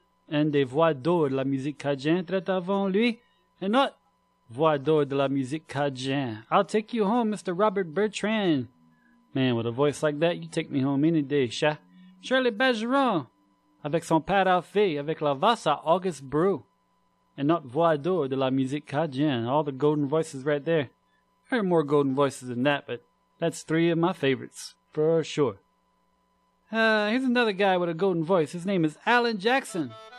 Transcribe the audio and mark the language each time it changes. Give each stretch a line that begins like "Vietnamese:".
French: Une des voix d'or de la musique cajun drette avant lui. Une autre voix d'or de la musique cajun.
English: I'll take you home, Mr. Robert Bertrand. Man, with a voice like that, you take me home any day, cher.
French: Shirley Bergeron, avec son père Alphé, avec la voix à August Brew.
English: And not
French: voix d'or de la musique cajun.
English: All the golden voices right there. There are more golden voices than that, but that's three of my favorites, for sure. Here's another guy with a golden voice. His name is Alan Jackson.